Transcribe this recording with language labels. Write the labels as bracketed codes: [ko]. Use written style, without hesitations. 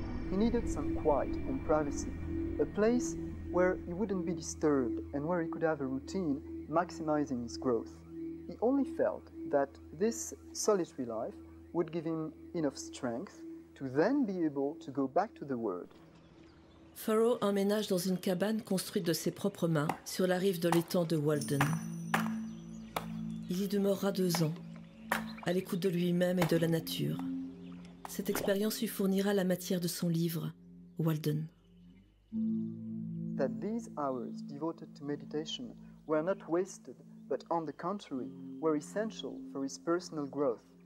[en] He needed some quiet and privacy, a place where he wouldn't be disturbed and where he could have a routine maximizing his growth. He only felt that this solitary life would give him enough strength to then be able to go back to the world. [fr] Thoreau emménage dans une cabane construite de ses propres mains sur la rive de l'étang de Walden. Il y demeurera 2 ans, à l'écoute de lui-même et de la nature. Cette expérience lui fournira la matière de son livre, Walden. [en] That these hours devoted to meditation were not wasted, but on the contrary, were essential for his personal growth.